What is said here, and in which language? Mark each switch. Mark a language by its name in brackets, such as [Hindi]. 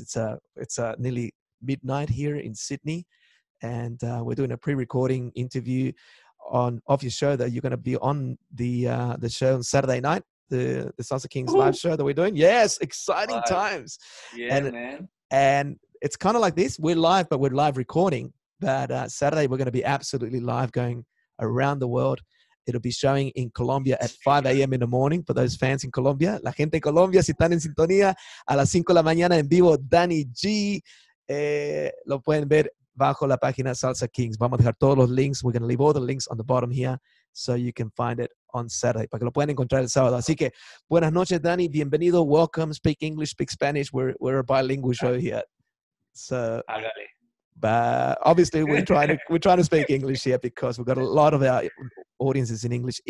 [English] It's nearly midnight here in Sydney, and we're doing a pre-recording interview of your show that you're going to be on the show on Saturday night, the Salsa Kingz live show that we're doing. Yes, exciting times. Yeah, and, man. And it's kind of like this. We're live, but we're live recording. But Saturday, we're going to be absolutely live going around the world. It'll be showing in Colombia at 5 a.m. in the morning for those fans in Colombia. [Spanish] La gente de Colombia, si están en sintonía, a las 5 de la mañana en vivo, Danny G. Lo pueden ver bajo la página Salsa Kingz. Vamos a dejar todos los links. [English] We're going to leave all the links on the bottom here so you can find it on Saturday. [Spanish] Para que lo puedan encontrar el sábado. Así que, buenas noches, Danny. Bienvenido. Welcome. [English] Speak English, speak Spanish. We're a bilingual show here. So. [Spanish] Hágale. [English] But obviously, we're trying to speak English here because we've got a lot of our audiences in English.